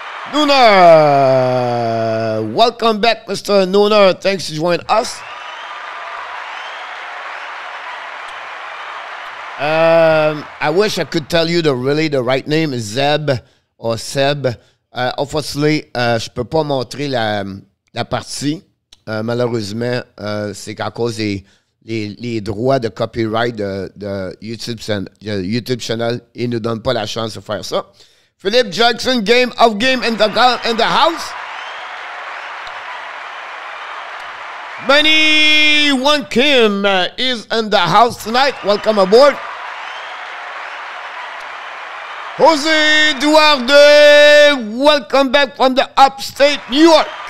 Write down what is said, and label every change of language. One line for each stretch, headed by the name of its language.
English: Nooner. Welcome back, Mr. Nooner. Thanks to join us. I wish I could tell you the right name is Zeb or Seb.
French: Obviously, je peux pas montrer la partie. Malheureusement, c'est qu'à cause des droits de copyright de YouTube channel, ils nous donnent pas la chance de faire ça.
English: Philip Jackson, game of game in the house. Manny One Kim is in the house tonight. Welcome aboard. Jose Duarte, welcome back from the upstate New York.